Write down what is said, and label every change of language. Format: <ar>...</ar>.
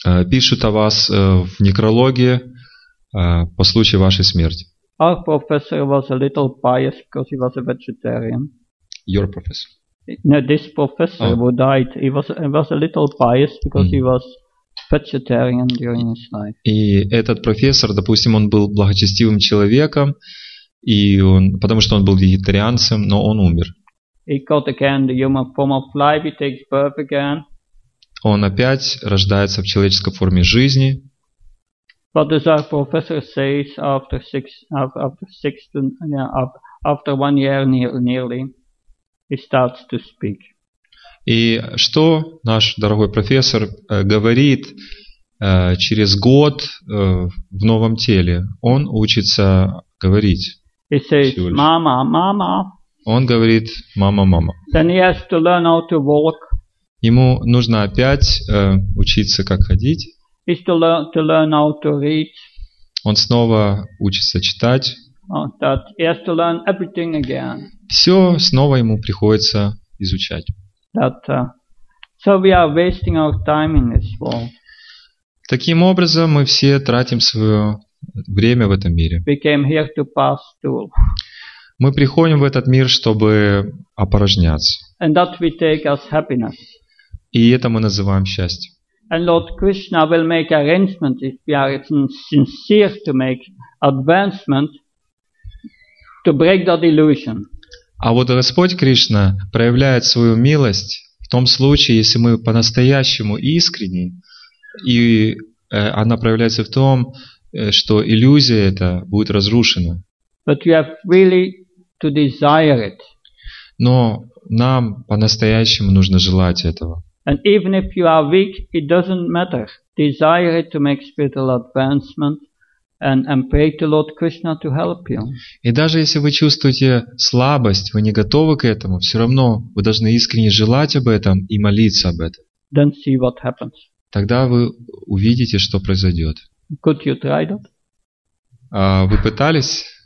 <ru>Пишут о вас в некрологии по случаю вашей смерти.</ru> <en>Our professor was a little pious because he was a vegetarian. Your professor? No, this professor who died, he was a little pious because he was vegetarian during his life.</en> <ru>И этот профессор, допустим, он был благочестивым человеком, и он, потому что он был вегетарианцем, но он умер.</ru> <en>He caught again the human form of life, he takes birth again.</en> <ru>Он опять рождается в человеческой форме жизни.</ru> <en>What does our professor say after one year nearly, he starts to speak.</en> <ru>И что наш дорогой профессор говорит через год в новом теле? Он учится говорить.</ru> <en>He says, "Mama, mama."</en> <ru>Он говорит, мама, мама.</ru> <en>Then he has to learn how to walk.</en> <ru>Ему нужно опять учиться, как ходить.</ru> <en>He's to learn how to read.</en> <ru>Он снова учится читать.</ru> <en>Oh, that he has to learn everything again.</en> <ru>Все снова ему приходится изучать.</ru> <en>That, so we are wasting our time in this world.</en> <ru>Таким образом, мы все тратим свое время в этом мире.</ru> <en>We came here to pass through.</en> <ru>Мы приходим в этот мир, чтобы опорожняться.</ru> <en>And that we take as happiness.</en> <ru>И это мы называем счастьем.</ru> <en>And Lord Krishna will make arrangements if we are sincere to make advancement to break that illusion.</en> <ru>А вот Господь Кришна проявляет свою милость в том случае, если мы по-настоящему искренни, и она проявляется в том, что иллюзия эта будет разрушена.</ru> <en>But you have really to desire it.</en> <ru>Но нам по-настоящему нужно желать этого.</ru> <en>And even if you are weak, it doesn't matter. Desire it to make spiritual advancement and pray to Lord Krishna to help you.</en> <ru>И даже если вы чувствуете слабость, вы не готовы к этому, все равно вы должны искренне желать об этом и молиться об этом.</ru> <en>Then see what happens.</en> <ru>Тогда вы увидите, что произойдет.</ru> <en>Could you try that?</en> <ru>Вы пытались?</ru>